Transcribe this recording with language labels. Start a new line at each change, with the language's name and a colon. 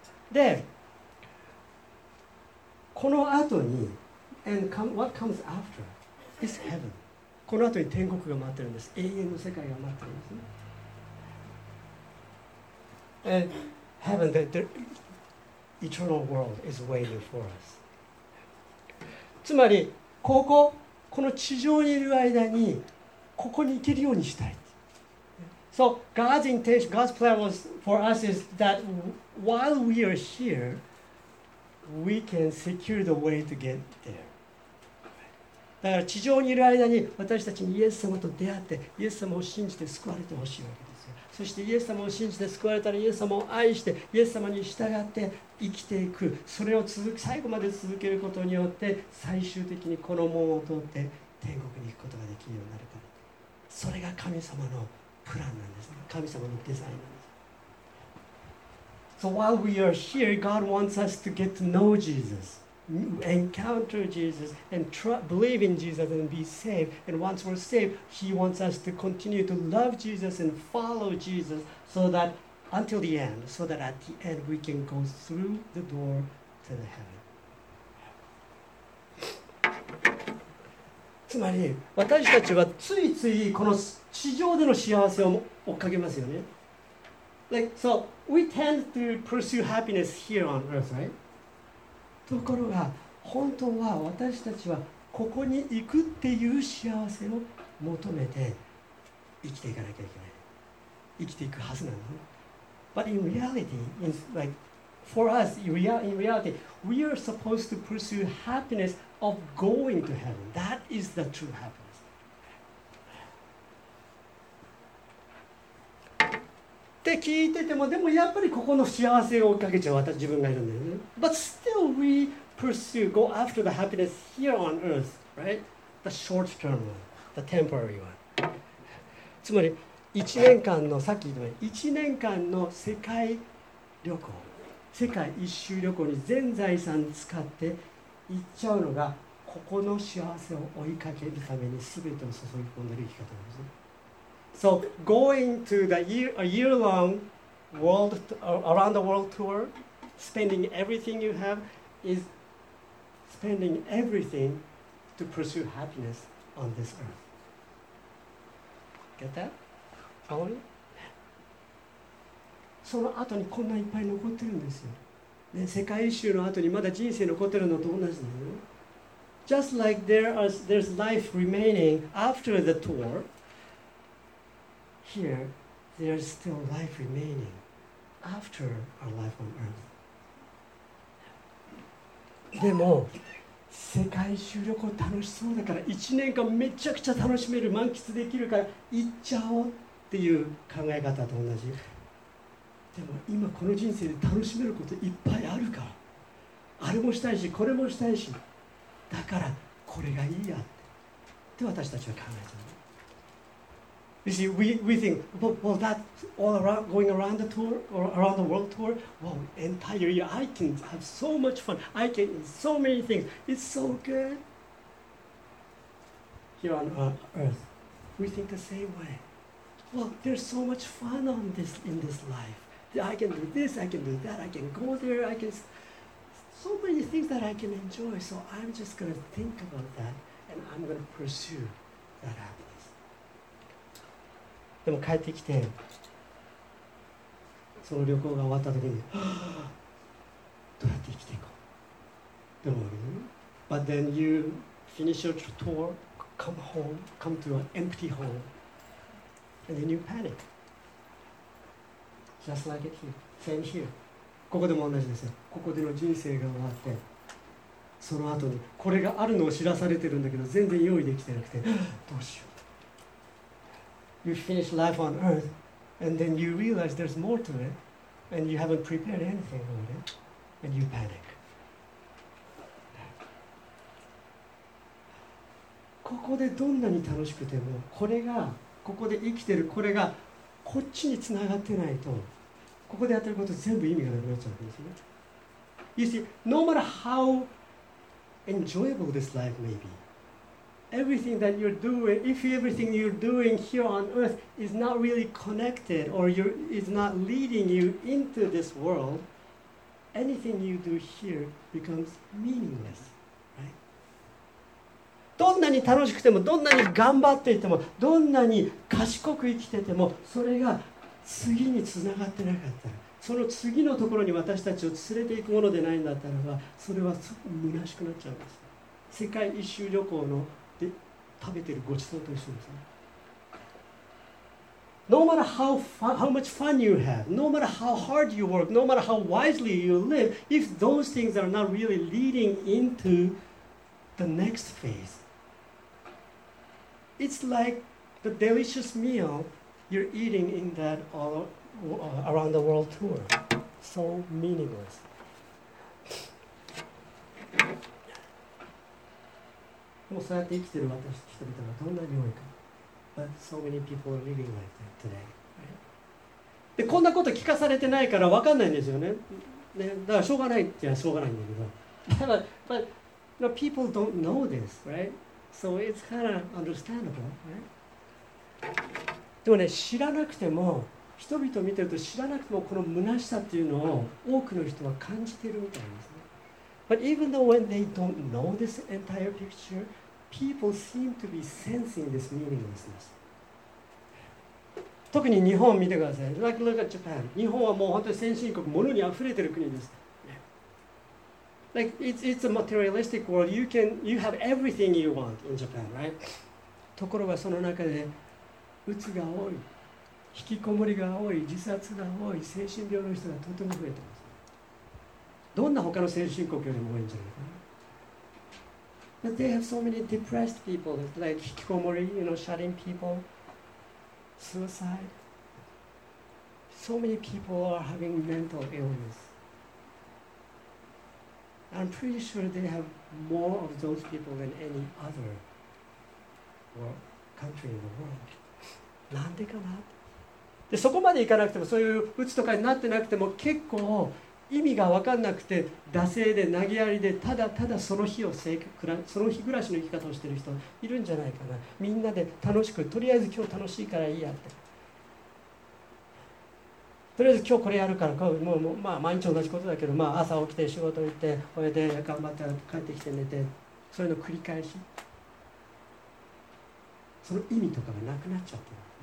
Japanese: で、この後に、
English: And what comes after is heaven.
Japanese: この後に天国が待ってるんです。永遠の世界が待ってるんですね。
English: And heaven, the eternal world is waiting for us.
Japanese: つまり、ここ、この地上にいる間に、ここに行けるようにしたい。
English: So God's intention, God's plan was for us is that while we are here, we can secure the way to get there.
Japanese: だから地上にいる間に私たちにイエス様と出会ってイエス様を信じて救われてほしいわけですよ。そしてイエス様を信じて救われたらイエス様を愛してイエス様に従って生きていく、それを最後まで続けることによって最終的にこの門を通って天国に行くことができるようになるから、それが神様のプランなんですね。神様のデザインなんです。
English: So while we are here, God wants us to get to know JesusEncounter Jesus and believe in Jesus and be saved. And once we're saved, He wants us to continue to love Jesus and follow Jesus so that until the end, so that at the end we can go through the door to the heaven.
Japanese: つまり私たちはついついこの地上での幸せを追っかけますよね。
English: Like, so we tend to pursue happiness here on earth, right?
Japanese: ところが本当は私たちはここに行くっていう幸せを求めて生きていかなきゃいけない、生きていくはずなの。
English: But in reality, in like for us, in reality, we are supposed to pursue happiness of going to heaven. That is the true happiness.
Japanese: って聞いてても、でもやっぱりここの幸せを追いかけちゃう私、自分がいるんだよね。
English: But still we pursue, go after the happiness here on earth, right? The short term one, the temporary one.
Japanese: つまり1年間の、さっき言ったように1年間の世界旅行、世界一周旅行に全財産使って行っちゃうのが、ここの幸せを追いかけるために全てを注ぎ込んでる生き方なんですね。
English: So going to the year-long world around the world tour, spending everything you have is spending everything to pursue happiness on this earth. Get that? Follow me?
Japanese: その後にこんないっぱい残ってるんですよ。で、世界一周の後にまだ人生残ってるのと同じなのよ。
English: Just like there's life remaining after the tour, here there's still life remaining after our life on earth.
Japanese: でも世界一周旅行楽しそうだから1年間めちゃくちゃ楽しめる満喫できるから行っちゃおうっていう考え方と同じ。でも今この人生で楽しめることいっぱいあるから、あれもしたいしこれもしたいし、だからこれがいいやって私たちは考えてる。
English: You see, we think, well, that all around, going around the tour or around the world tour, well, entire year I can have so much fun. I can eat so many things. It's so good. Here on earth, we think the same way. Well, there's so much fun on this in this life. I can do this, I can do that, I can go there, I can... So many things that I can enjoy, so I'm just going to think about that and I'm going to pursue that happiness.
Japanese: でも帰ってきて、その旅行が終わった時に、どうやって生きていこう?
English: Don't worry. But then you finish your tour, come home, come to an empty home, and then you panic. Just like it here. Same here.
Japanese: ここでも同じですよ。ここでの人生が終わって、その後にこれがあるのを知らされてるんだけど、全然用意できてなくて、どうしよう。
English: You finish life on earth, and then you realize there's more to it, and you haven't prepared anything for it, and you panic.
Japanese: ここでどんなに楽しくても、これが、ここで生きてるこれが、こっちにつながってないと、ここでやってること全部意味がなくなっちゃうんですね。
English: You see, no matter how enjoyable this life may be, everything that you're doing, if everything you're doing here on earth is not really connected or is not leading you into this world, anything you do here becomes meaningless, right?
Japanese: どんなに楽しくても、どんなに頑張っていても、どんなに賢く生きてても、それが次につながってなかったら、その次のところに私たちを連れていくものでないんだったらば、それは虚しくなっちゃうんです。世界一周旅行ので食べてるごちそうと一緒ですね。
English: No matter how much fun you have, no matter how hard you work, no matter how wisely you live, if those things are not really leading into the next phase, it's like the delicious meal. You're eating in that all around the world tour. So meaningless.
Japanese: でもそうやって生きてる私たち人々はどんなに多いか。
English: But so many people are living like that today.
Japanese: で、こんなこと聞かされてないから分かんないんですよね。ね、だからしょうがないって言えばしょうがないんだけど。
English: But you know, people don't know this, right? So it's kind of understandable, right?
Japanese: でもね、知らなくても、人々を見てると知らなくてもこの虚しさっていうのを多くの人は感じているみたいですね。
English: But even though when they don't know this entire picture, people seem to be sensing this meaninglessness.
Japanese: 特に日本見てください。
English: Like look at Japan.
Japanese: 日本はもう本当に先進国、物にあふれてる国です。
English: Like it's a materialistic world. You have everything you want in Japan, right?
Japanese: ところがその中で、鬱が多い、引きこもりが多い、自殺が多い、精神病の人がとても増えてます。どんな他の先進国よりも多いんじゃないかな。
English: But they have so many depressed people, like 引きこもり、you know, shutting people, suicide. So many people are having mental illness. I'm pretty sure they have more of those people than any other country in the world.
Japanese: なんでかな。でそこまでいかなくても、そういう鬱とかになってなくても、結構意味が分かんなくて惰性で投げやりでただただその日をその日暮らしの生き方をしている人いるんじゃないかな。みんなで楽しく、とりあえず今日楽しいからいいやって、とりあえず今日これやるから、もう、まあ、毎日同じことだけど、まあ、朝起きて仕事行ってこれで頑張って帰ってきて寝て、そういうの繰り返し、その意味とかがなくなっちゃってる。